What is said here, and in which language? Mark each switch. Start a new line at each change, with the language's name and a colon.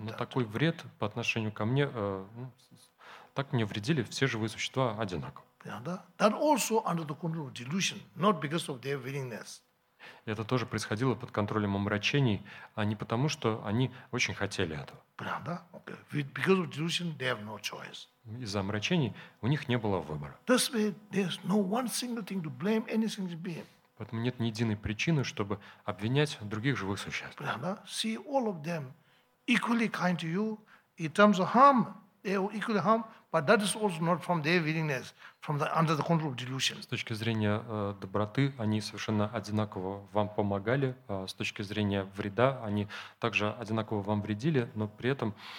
Russian: done. Но такой вред по отношению ко мне, так мне вредили все живые существа одинаково. Понятно, да?
English: That also under the control of delusion, not because of their willingness.
Russian: Это тоже происходило под контролем омрачений, а не потому, что они очень хотели этого. Понятно, да?
English: Okay. Because of delusion, they have no choice.
Russian: Из-за омрачений у них не было выбора.
English: That's why there's no one single thing to blame any single being.
Russian: Поэтому нет ни единой причины, чтобы обвинять других живых существ. Понятно, да?
English: See all of them equally kind to you in terms of harm. They are equally harm, but that is also not from their willingness, from the under the control of delusion.
Russian: С точки зрения доброты, они совершенно одинаково вам помогали. С точки зрения вреда, они также одинаково вам вредили, но при этом